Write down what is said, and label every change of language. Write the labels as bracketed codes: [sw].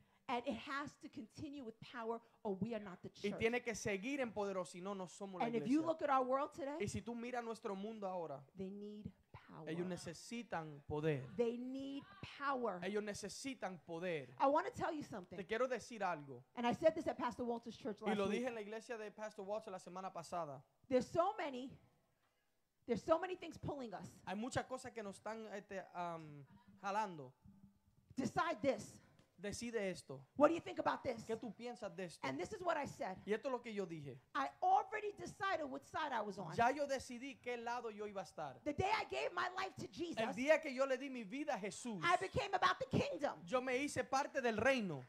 [en] And it has to continue with power, or we are not the church. [es] Y tiene que seguir en poder, o si no, no somos la iglesia. [en] And if you look at our world today, [es] y si tú miras nuestro mundo ahora, [en] they need power. [es] Ellos necesitan poder. [en] They need power. [es] Ellos necesitan poder. [en] I want to tell you something. [es] Te quiero decir algo. [en] And I said this at Pastor Walter's church last week. [es] Y lo [en] week. [es] Dije en la iglesia de Pastor Walter la semana pasada. [en] There's so many things pulling us. [es] Hay muchas cosas que nos están jalando. [en] Decide this. [es] Decide esto. [en] What do you think about this? [es] ¿Qué tú piensas de esto? [en] And this is what I said. [es] Y esto es lo que yo dije. [en] I already decided what side I was on. [es] Ya yo decidí qué lado yo iba a estar. [en] The day I gave my life to Jesus. [es] El día que yo le di mi vida a Jesús. [en] I became about the kingdom. [es] Yo me hice parte del reino.